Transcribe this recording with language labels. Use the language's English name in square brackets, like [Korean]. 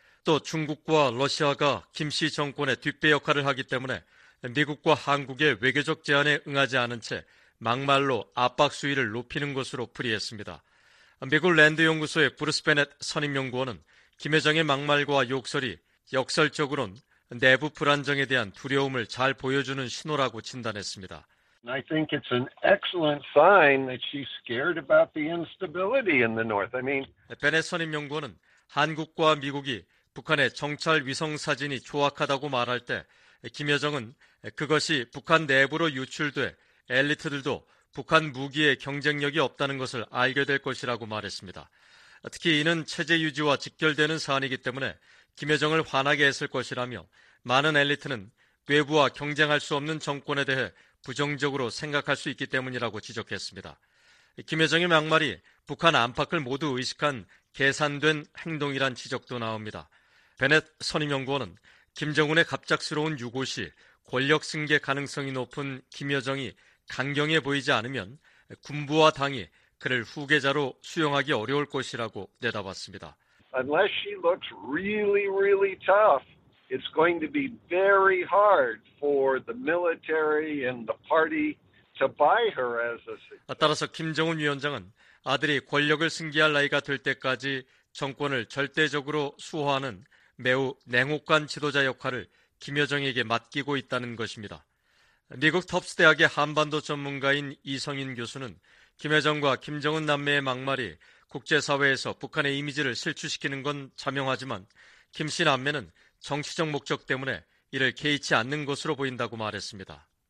[Korean] 또 중국과 러시아가 김 씨 정권의 뒷배 역할을 하기 때문에 미국과 한국의 외교적 제안에 응하지 않은 채 막말로 압박 수위를 높이는 것으로 풀이했습니다. 미국 랜드연구소의 브루스 베넷 선임연구원은 김여정의 막말과 욕설이 역설적으로는 내부 불안정에 대한 두려움을 잘 보여주는 신호라고 진단했습니다. [English] I think it's an excellent sign that she's scared about the instability in the North. I mean, [Korean] 베넷 선임연구원은 한국과 미국이 북한의 정찰 위성 사진이 조악하다고 말할 때 김여정은 그것이 북한 내부로 유출돼 엘리트들도 북한 무기의 경쟁력이 없다는 것을 알게 될 것이라고 말했습니다. 특히 이는 체제 유지와 직결되는 사안이기 때문에 김여정을 화나게 했을 것이라며 많은 엘리트는 외부와 경쟁할 수 없는 정권에 대해 부정적으로 생각할 수 있기 때문이라고 지적했습니다. 김여정의 막말이 북한 안팎을 모두 의식한 계산된 행동이란 지적도 나옵니다. 베넷 선임연구원은 김정은의 갑작스러운 유고 시 권력 승계 가능성이 높은 김여정이 강경해 보이지 않으면 군부와 당이 그를 후계자로 수용하기 어려울 것이라고 내다봤습니다. [English] Unless she looks really, really tough, it's going to be very hard for the military and the party to buy her as a. [Korean] 따라서 김정은 위원장은 아들이 권력을 승계할 나이가 될 때까지 정권을 절대적으로 수호하는 매우 냉혹한 지도자 역할을 김여정에게 맡기고 있다는 것입니다. 미국 텁스 대학의 한반도 전문가인 이성인 교수는 김여정과 김정은 남매의 막말이 국제사회에서 북한의 이미지를 실추시키는 건 자명하지만 김 씨 남매는 정치적 목적 때문에 이를 개의치 않는 것으로 보인다고 말했습니다.